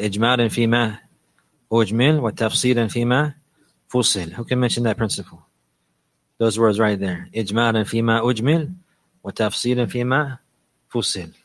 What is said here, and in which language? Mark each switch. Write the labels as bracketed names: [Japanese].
[Arabic] إجمال فيما أجمل وتفصيلا فيما فصل. [English] Who can mention that principle? Those words right there. [Arabic] إجمال فيما أجمل وتفصيلا فيما فصل.